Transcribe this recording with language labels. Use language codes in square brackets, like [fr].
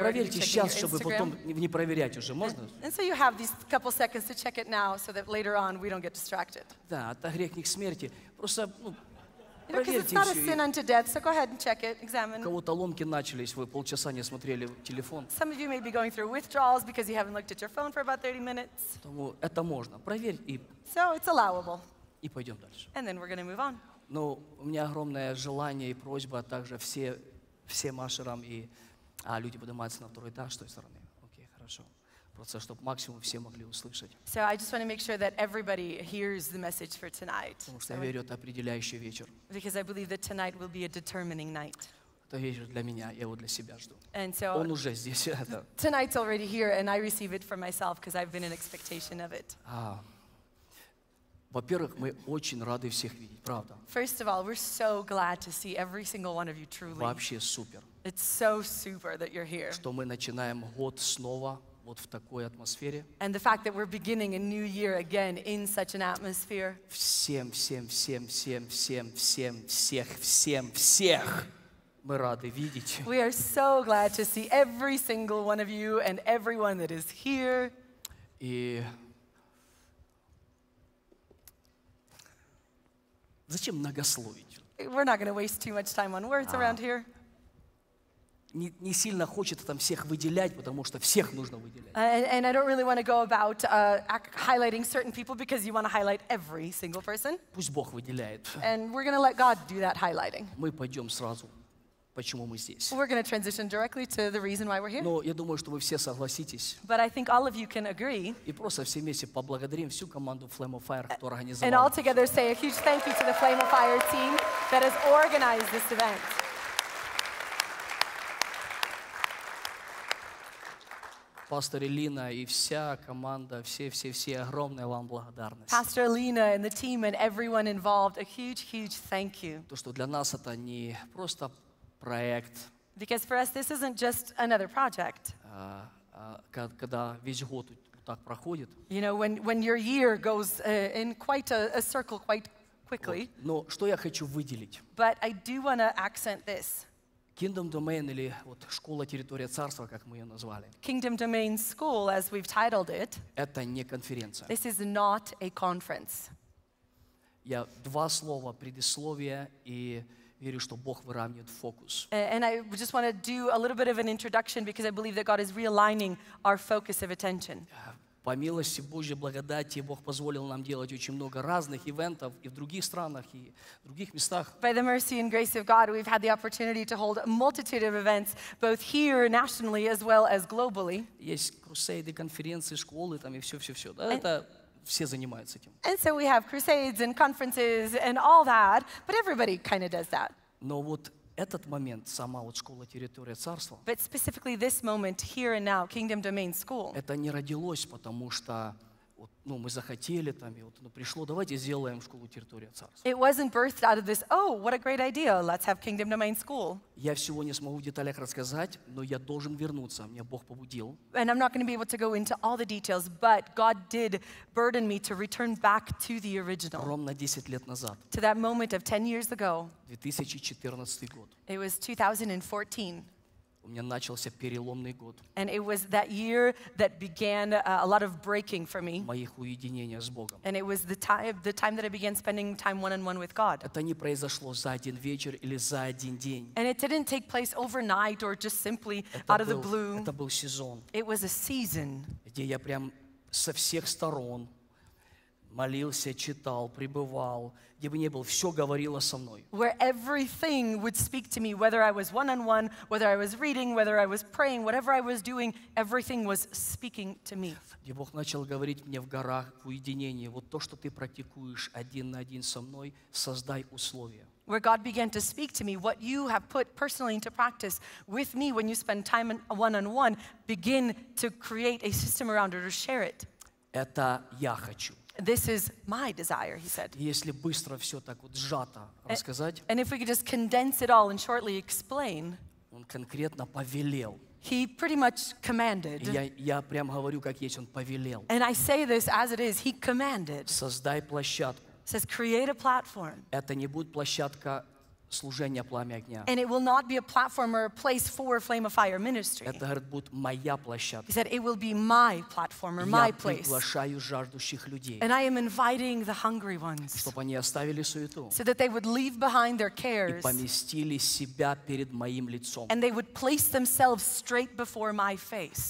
[ru] проверьте сейчас, чтобы потом не проверять уже, можно? [en] And so you have these couple seconds to check it now, so that later on we don't get distracted. [ru] Да, это грех не к смерти. Просто, ну, проверьте еще. [en] It's not a sin unto death, so go ahead and check it, examine. [ru] Кого-то ломки начались, вы полчаса не смотрели телефон. [en] Some of you may be going through withdrawals because you haven't looked at your phone for about 30 minutes. [ru] Это можно, проверь и. [en] So it's allowable. [ru] И пойдем дальше. [en] And then we're going to move on. [ru] Ну, у меня огромное желание и просьба, а также все машерам и люди поднимаются на второй этаж с той стороны. Окей, хорошо. Просто чтобы максимум все могли услышать. [en] So I just want to make sure that everybody hears the message for tonight. [ru] Потому что я верю, это определяющий вечер. [en] Because I believe that tonight will be a determining night. [ru] Это вечер для меня, я его для себя жду. [en] And so [ru] он уже здесь. [en] Tonight's already here, and I receive it for myself because I've been in expectation of it. [ru] Во-первых, мы очень рады всех видеть, правда. [en] First of all, we're so glad to see every single one of you truly. [ru] Вообще супер. [en] It's so super that you're here. [ru] Что мы начинаем год снова вот в такой атмосфере. [en] And the fact that we're beginning a new year again in such an atmosphere. [ru] Всем, всем, всем, всем, всем, всем, всех, всем, всех мы рады видеть. [en] We are so glad to see every single one of you and everyone that is here. [ru] И зачем многословить? [en] We're not going to waste too much time on words around here. [ru] Не сильно хочет там всех выделять, потому что всех нужно выделять. [en] And I don't really want to go about highlighting certain people because you want to highlight every single person. [ru] Пусть Бог выделяет. [en] And we're going to let God do that highlighting. [ru] Мы пойдем сразу, почему мы здесь. [en] We're going to transition directly to the reason why we're here. [ru] Но я думаю, что вы все согласитесь. [en] But I think all of you can agree. [ru] И просто все вместе поблагодарим всю команду Flame of Fire, кто организовал. [en] And all together say a huge thank you to the Flame of Fire team that has organized this event. [ru] Pastor Elina и вся команда, все огромная вам благодарность. [en] Pastor Elina and the team and everyone involved, a huge thank you. [ru] То, что для нас это не просто проект. [en] Because for us this isn't just another project. [ru] Когда весь год так проходит. [en] You know, when your year goes in quite a circle quite quickly. [ru] Но что я хочу выделить? [en] But I do want to accent this. [ru] Kingdom Domain или вот школа Территория Царства, как мы ее назвали. [en] Kingdom Domain School, as we've titled it. [ru] Это не конференция. [en] This is not a conference. [ru] Я два слова предисловие и верю, что Бог выравнивает фокус. [en] And I just want to do a little bit of an introduction because I believe that God is realigning our focus of attention. [ru] По милости Божьей благодати Бог позволил нам делать очень много разных ивентов и в других странах, и в других местах. [en] By the mercy and grace of God, we've had the opportunity to hold a multitude of events, both here nationally as well as globally. [ru] Есть крусейды, конференции, школы, там и все-все-все. Да, это все занимаются этим. [en] And so we have crusades and conferences and all that, but everybody kind of does that. [ru] Но вот этот момент, сама вот школа Территория Царства. [en] But specifically this moment here and now, Kingdom Domain School. [ru] Это не родилось, потому что вот, ну, мы захотели там, и вот ну, пришло, давайте сделаем школу Территория Царства. [en] It wasn't birthed out of this, oh, what a great idea, let's have Kingdom Domain School. [ru] Я всего не смогу в деталях рассказать, но я должен вернуться, меня Бог побудил. [en] And I'm not going to be able to go into all the details, but God did burden me to return back to the original. [ru] Ровно 10 лет назад. [en] To that moment of 10 years ago. [ru] 2014 год. [en] It was 2014. [ru] У меня начался переломный год. [en] And it was that year that began a lot of breaking for me. [ru] Моих уединения с Богом. [en] And it was the time that I began spending time one-on-one with God. [ru] Это не произошло за один вечер или за один день. [en] And it didn't take place overnight or just simply out of the blue. [ru] Это был сезон. [en] It was a season. [ru] Где я прям со всех сторон молился, читал, пребывал, где бы ни был, все говорило со мной. [en] Where everything would speak to me, whether I was one-on-one, whether I was reading, whether I was praying, whatever I was doing, everything was speaking to me. [ru] Где Бог начал говорить мне в горах, в уединении, вот то, что ты практикуешь один на один со мной, создай условия. [en] Where God began to speak to me, what you have put personally into practice with me when you spend time one-on-one, begin to create a system around it or share it. [ru] Это я хочу. [en] This is my desire, he said. [ru] Если быстро все так вот сжато рассказать. [en] And if we could just condense it all and shortly explain. [ru] Он конкретно повелел. [en] He pretty much commanded. [ru] Я прям говорю, как есть, он повелел. [en] And I say this as it is, he commanded. [ru] Создай площадку. [en] Says create a platform. [ru] Это не будет площадка служения пламя огня. [en] And it will not be a platform or a place for Flame of Fire ministry. [ru] Это, говорит, будет моя площадка. [en] He said, it will be my platform or my place. [ru] Я приглашаю жаждущих людей. [en] And I am inviting the hungry ones. [ru] Чтобы они оставили суету. [en] So that they would leave behind their cares. [ru] И поместили себя перед моим лицом. [en] And they would place themselves straight before my face.